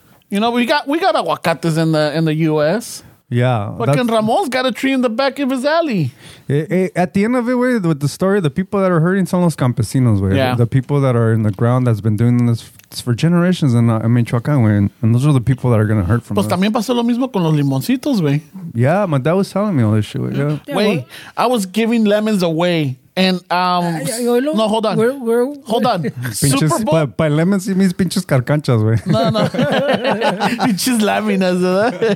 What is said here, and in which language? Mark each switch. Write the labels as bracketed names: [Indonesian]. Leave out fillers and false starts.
[English] You know, we got aguacates in the U.S. Yeah. Fucking Ramon's got a tree in the back of his alley. At the end of it, way, with the story, the people that are hurting [Spanish] son los campesinos, [English] way. Yeah. The people that are in the ground that's been doing this for generations in Michoacán, way. And those are the people that are going to hurt from us. [Spanish] Pues también pasó lo mismo con los limoncitos, way. [English] Yeah, my dad was telling me all this shit, way. Yeah. Wait, I was giving lemons away. And no, hold on. Hold on. [Spanish] Pinches, [English] Super Bowl. By lemons, it means [Spanish] pinches carcanchas, güey. No. Pinches láminas, ¿verdad?